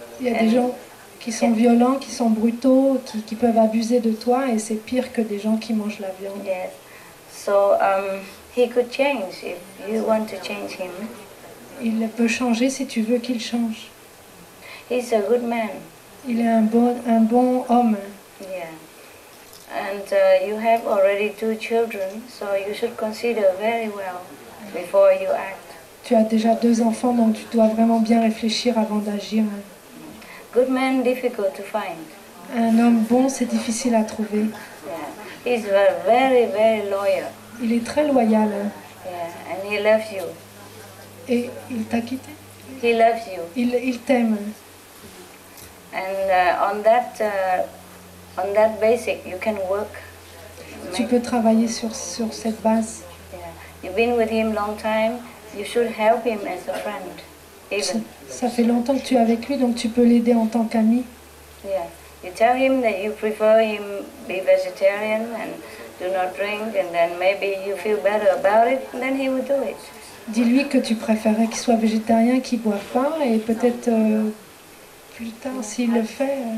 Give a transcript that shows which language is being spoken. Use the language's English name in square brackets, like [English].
[French] Il y a des gens qui sont violents, qui sont brutaux, qui peuvent abuser de toi, et c'est pire que des gens qui mangent la viande. [English] Yes. So he could change if you want to change him. [French] Il peut changer si tu veux qu'il change. [English] He's a good man. [French] Il est un bon homme. [English] Yeah. And you have already two children, so you should consider very well before you act. [French] Tu as déjà deux enfants, donc tu dois vraiment bien réfléchir avant d'agir. [English] Good man, difficult to find. [French] Un homme bon, c'est difficile à trouver. [English] Yeah. He's very, very loyal. [French] Il est très loyal. [English] Yeah. And he loves you. [French] Et il t'a quitté? [English] He loves you. [French] Il t'aime. [English] And on that basic, you can work. [French] Tu peux travailler sur cette base. [English] Yeah. You've been with him long time. You should help him as a friend. [French] Ça fait longtemps que tu es avec lui, donc tu peux l'aider en tant qu'ami. [English] Yeah. You tell him that you prefer him be vegetarian and do not drink, and then maybe you feel better about it, and then he will do it. [French] Dis-lui que tu préférerais qu'il soit végétarien, qu'il boive pas, et peut-être plus tard, s'il le fait,